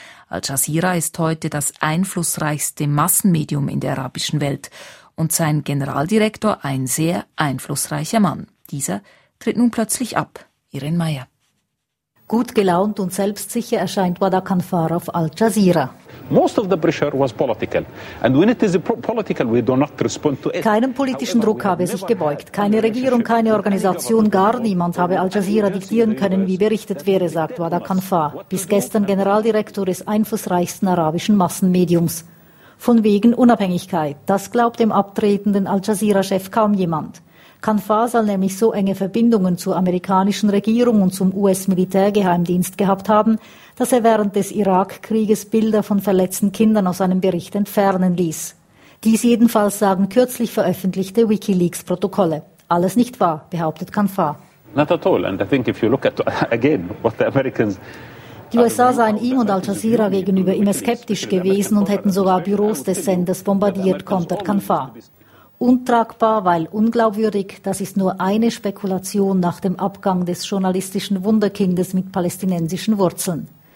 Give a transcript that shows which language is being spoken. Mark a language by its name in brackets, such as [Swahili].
[German] Al Jazeera ist heute das einflussreichste Massenmedium in der arabischen Welt. Und sein Generaldirektor, ein sehr einflussreicher Mann. Dieser tritt nun plötzlich ab. Irene Meyer. Gut gelaunt und selbstsicher erscheint Wadakanfar auf Al Jazeera. [English] Most of the pressure was political. And when it is political, we do not respond to it. [German] Keinem politischen Druck habe sich gebeugt. Keine Regierung, keine Organisation, gar niemand habe Al Jazeera diktieren können, wie berichtet wäre, sagt Wadakanfar. Bis gestern Generaldirektor des einflussreichsten arabischen Massenmediums. Von wegen Unabhängigkeit. Das glaubt dem abtretenden Al Jazeera-Chef kaum jemand. Kanfar soll nämlich so enge Verbindungen zur amerikanischen Regierung und zum US-Militärgeheimdienst gehabt haben, dass er während des Irakkrieges Bilder von verletzten Kindern aus seinem Bericht entfernen ließ. Dies jedenfalls sagen kürzlich veröffentlichte WikiLeaks-Protokolle. Alles nicht wahr, behauptet Kanfar. [English] Not at all. And I think if you look at again what the Americans. [German] Die USA seien ihm und Al Jazeera gegenüber immer skeptisch gewesen und hätten sogar Büros des Senders bombardiert, kontert Kanfar. Untragbar, weil unglaubwürdig, das ist nur eine Spekulation nach dem Abgang des journalistischen Wunderkindes mit palästinensischen Wurzeln.